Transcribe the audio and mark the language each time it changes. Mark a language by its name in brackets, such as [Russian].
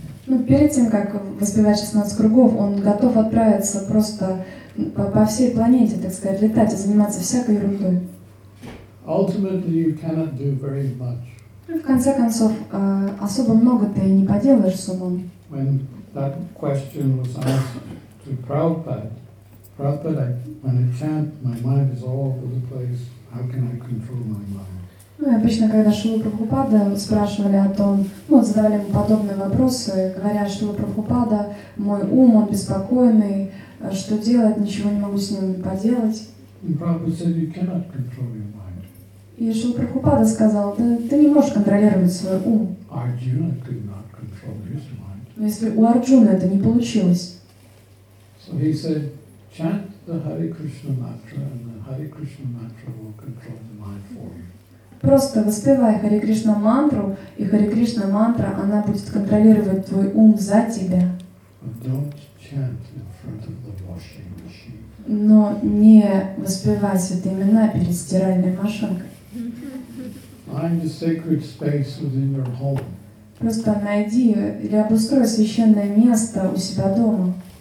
[Russian] Ну, перед тем, как воспевать 16 кругов, он готов отправиться просто по всей планете, так сказать, летать и заниматься всякой ерундой. [English] Ultimately, you cannot do very much. [Russian] В конце концов, особо много ты не поделаешь с умом. [English] When that question was asked to Prabhupada, Prabhupada, when I chant, my mind is all over the place. How can I control my mind? [Russian] Ну, обычно, когда Шрила Прабхупада спрашивали о том, ну, задавали ему подобные вопросы, говоря, Шрила Прабхупада, мой ум, он беспокойный, что делать, ничего не могу с ним поделать. [English] And Prabhupada said, you cannot control your mind. [Russian] И Шрила Прабхупада сказал, ты не можешь контролировать свой ум. [English] Arjuna could not control his mind. [Russian] Но если у Арджуны это не получилось. [English] So he said, chant the Hare Krishna mantra, and the Hare Krishna mantra will control the mind for you. [Russian] Просто воспевай Хари Кришна мантру, и Хари Кришна мантра, она будет контролировать твой ум за тебя. [English] But don't chant in front of the washing machine. [Russian] Но не воспевай святые имена перед стиральной машинкой. [English] Find a sacred space within your home. [Russian] Просто найди или обустрой священное место у себя дома.